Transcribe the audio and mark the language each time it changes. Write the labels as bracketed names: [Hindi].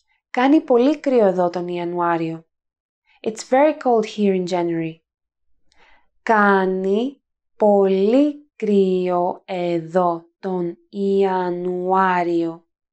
[Greek] Κάνει πολύ κρύο εδώ τον Ιανουάριο. [English] It's very cold here in January. [Greek] Κάνει πολύ κρύο εδώ τον Ιανουάριο.